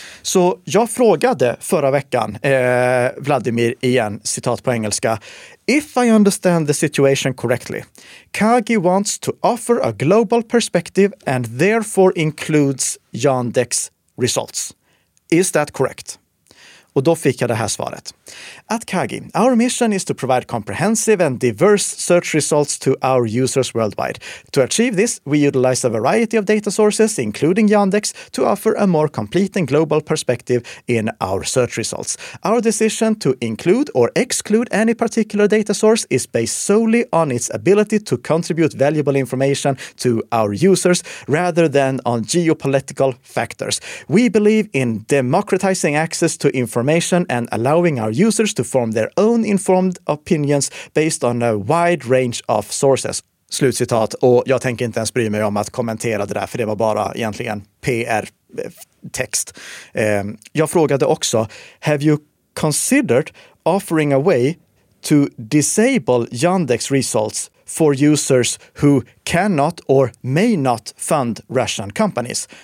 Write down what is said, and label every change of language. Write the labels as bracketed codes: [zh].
[sv] Så jag frågade förra veckan Vladimir igen, citat på engelska: [en] "If I understand the situation correctly, Kagi wants to offer a global perspective and therefore includes Yandex results. Is that correct?" [sv] Och då fick jag det här svaret. [en] "At Kagi, our mission is to provide comprehensive and diverse search results to our users worldwide. To achieve this, we utilize a variety of data sources, including Yandex, to offer a more complete and global perspective in our search results. Our decision to include or exclude any particular data source is based solely on its ability to contribute valuable information to our users rather than on geopolitical factors. We believe in democratizing access to information and allowing our users to form their own informed opinions based on a wide range of sources." [sv] Slutcitat. Och jag tänker inte ens bry mig om att kommentera det där, för det var bara egentligen PR-text. Jag frågade också: [en] "Have you considered offering a way to disable Yandex results for users who cannot or may not fund Russian companies?"